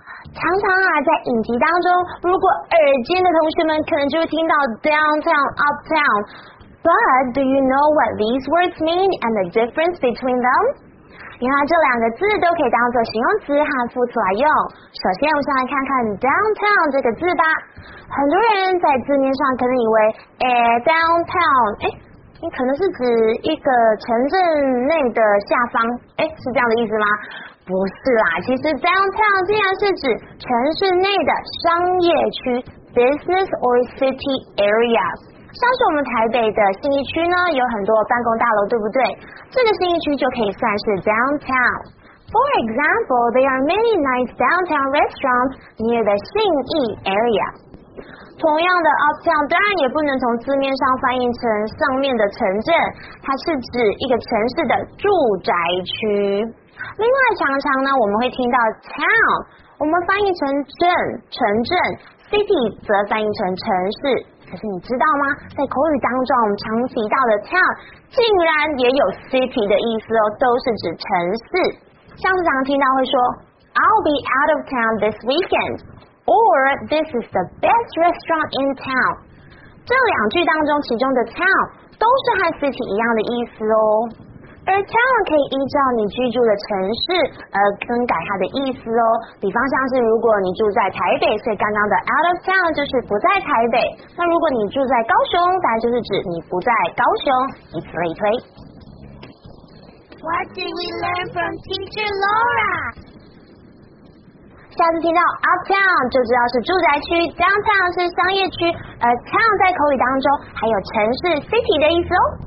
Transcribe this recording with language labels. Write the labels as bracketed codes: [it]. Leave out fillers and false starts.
[zh] 常常啊，在影集当中，如果耳尖的同学们可能就会听到 downtown、uptown。 [en] But do you know what these words mean and the difference between them？ [zh] 原来这两个字都可以当作形容词和副词来用。首先，我们先来看看 downtown 这个字吧。很多人在字面上可能以为，downtown， 你可能是指一个城镇内的下方，是这样的意思吗？不是啦，其实 downtown 竟然是指城市内的商业区 [en] business or city area。 [zh] 像是我们台北的信义区呢，有很多办公大楼，对不对？这个信义区就可以算是 downtown。 [en] For example, there are many nice downtown restaurants near the 信义 area。 [zh] 同样的 uptown 当然也不能从字面上翻译成上面的城镇，它是指一个城市的住宅区。另外常常呢，我们会听到 town， 我们翻译成镇、城镇， city 则翻译成城市。可是你知道吗，在口语当中常提到的 town 竟然也有 city 的意思哦，都是指城市。像是常听到会说 [en] I'll be out of town this weekendOr, this is the best restaurant in town. [zh] 这两句当中其中的 town 都是和 city 一样的意思哦。而 town 可以依照你居住的城市而更改它的意思哦。比方像是如果你住在台北，所以刚刚的 out of town 就是不在台北。那如果你住在高雄，当然就是指你不在高雄，以此类推。 [en] What did we learn from teacher Laura? [zh] 下次听到 uptown 就知道是住宅区， downtown 是商业区，而 town 在口语当中还有城市 city 的意思哦。